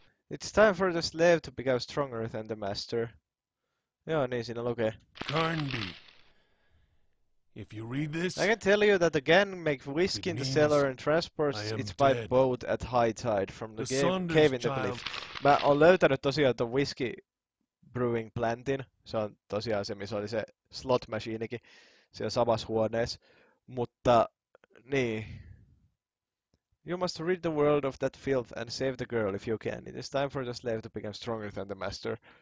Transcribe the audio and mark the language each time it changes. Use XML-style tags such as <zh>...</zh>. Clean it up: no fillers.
<en>It's time for the slave to become stronger than the master.</en> <fi>Joo, niin siinä lukee.</fi> <en>Carnby. If you read this, I can tell you that the gang make whisk in the cellar and transports it by boat at high tide from the cave in the cliff.</en> <fi>Mä oon löytänyt tosiaan ton</fi> <en>whisky brewing</en> <fi>plantin. Se on tosiaan se, missä oli se slot machinekin siellä samassa huoneessa. Mutta, niin.</fi> <en>You must rid the world of that filth and save the girl if you can. It is time for the slave to become stronger than the master.</en>